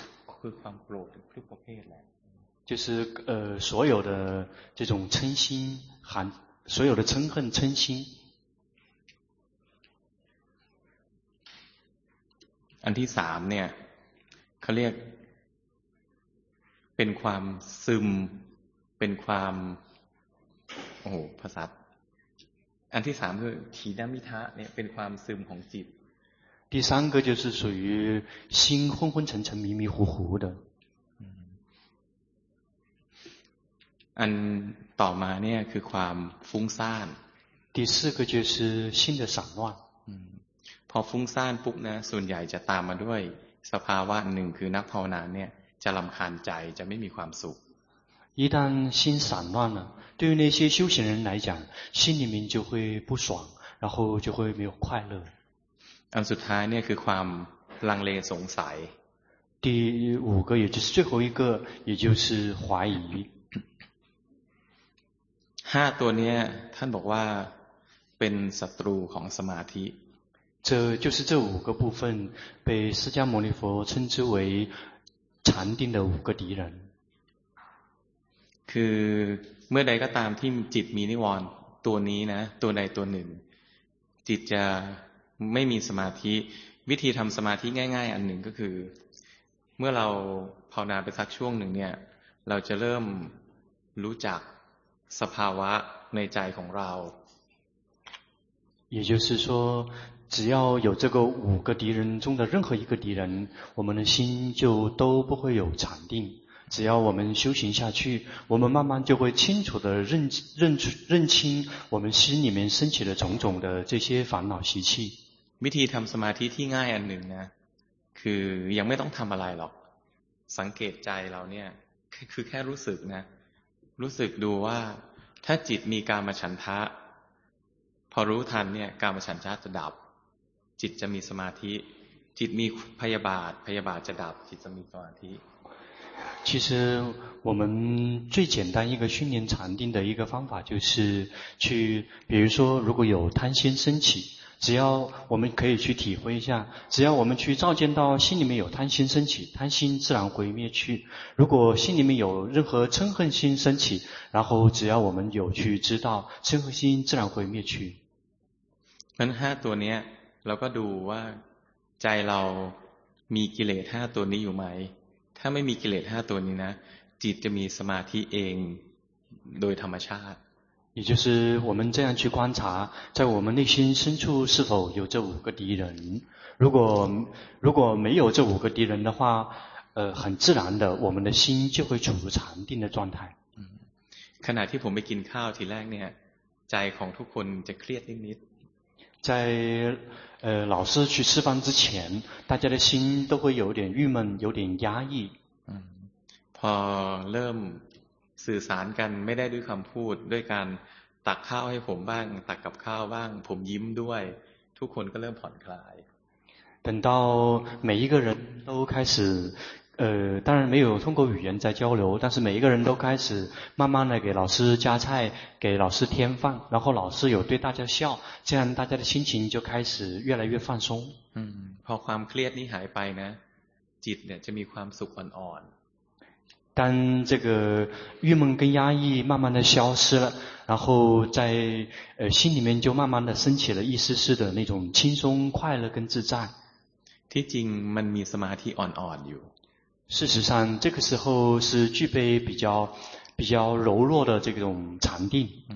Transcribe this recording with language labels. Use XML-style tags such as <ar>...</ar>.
<th>คือความโกรธทุกประเภทแหละ</th> <zh>就是所有的这种嗔心含所有的嗔恨嗔心</zh> <th>อันที่สามเนี่ยเขาเรียกเป็นความซึมเป็นความโอ้โหภาษาอันที่สามคือถีนมิทะเนี่ยเป็นความซึมของจิต</th> <zh>第三个就是属于心昏昏沉沉迷迷糊糊的</zh> <th>อันต่อมาเนี่ยคือความฟุ้งซ่าน</th> <zh>第四个就是心的散乱</zh> <th>พอฟุ้งซ่านปุ๊บนะส่วนใหญ่จะตามมาด้วยสภาวะหนึ่งคือนักภาวนาเนี่ยจะรำคาญใจจะไม่มีความสุข</th> <zh>一旦心散乱了对于那些修行人来讲心里面就会不爽然后就会没有快乐</zh> <th>อันสุดท้ายเนี่ยคือความลังเลสงสัย</th> <zh>第五个也就是最后一个也就是怀疑</zh> <th>ห้าตัวเนี้ยท่านบอกว่าเป็นศัตรูของสมาธิ</th> <zh>这就是这五个部分被释迦牟尼佛称之为禅定的五个敌人</zh> <th>คือเมื่อใดก็ตามที่จิตมีนิวรณ์ ตัวนี้นะตัวใดตัวหนึ่งจิตจะไม่มีสมาธิวิธีทำสมาธิง่ายๆอันหนึ่งก็คือเมื่อเราภาวนาไปสักช่วงหนึ่งเนี่ยเราจะเริ่มรู้จักสภาวะในใจของเรา</th> <zh>也就是说只要有这个五个敌人中的任何一个敌人我们的心就都不会有禅定只要我们修行下去我们慢慢就会清楚地 认清我们心里面升起的种种的这些烦恼习气</zh> <th>วิธีทำสมาธิที่ง่ายอันหนึ่งนะคือยังไม่ต้องทำอะไรหรอกสังเกตใจเราเนี่ยคือแค่รู้สึกนะรู้สึกดูว่าถ้าจิตมีกามฉันทะพอรู้ทันเนี่ยกามฉันทะจะดับจิตจะมีสมาธิจิตมีพยาบาทพยาบาทจะดับจิตจะมีสมาธิ</th> <zh>其实我们最简单一个训练禅定的一个方法就是去比如说如果有贪心升起只要我们可以去体会一下只要我们去照见到心里面有贪心升起贪心自然毁灭去如果心里面有任何嗔恨心升起然后只要我们有去知道嗔恨心自然毁灭去</zh> <th>那5ตัวนี้เราก็ดูว่าใจเรามีกิเลส5ตัวนี้อยู่ไหมถ้าไม่มีกิเลส5ตัวนี้นะจิตจะมีสมาธิเองโดยธรรมชาติ</th> <zh>也就是我们这样去观察在我们内心深处是否有这五个敌人如果没有这五个敌人的话很自然的我们的心就会处于禅定的状态</zh> <th>ขณะที่ผมไปกินข้าวทีแรกเนี่ยใจของทุกคนจะเครียดนิด</th> <zh>ๆ在老师去吃饭之前大家的心都会有点郁闷有点压抑</zh> <th>พอเริ่มสื่อสารกันไม่ได้ด้วยคำพูดด้วยการตักข้าวให้ผมบ้างตักกับข้าวบ้างผมยิ้มด้วยทุกคนก็เริ่มผ่อนคลาย</th> <zh>等到每一个人都开始当然没有通过语言在交流但是每一个人都开始慢慢的给老师夹菜给老师添饭然后老师有对大家笑这样大家的心情就开始越来越放松</zh> <th>พอความเครียดนี้หายไปนะจิตเนี่ยจะมีความสุขอ่อน</th> <zh>当这个郁闷跟压抑慢慢的消失了然后在心里面就慢慢的升起了一丝丝的那种轻松快乐跟自在</zh> <th>ที่จริงมันมีสมาธิอ่อนๆอยู่</th> <zh>事实上这个时候是具备比较柔弱的这种禅定</zh>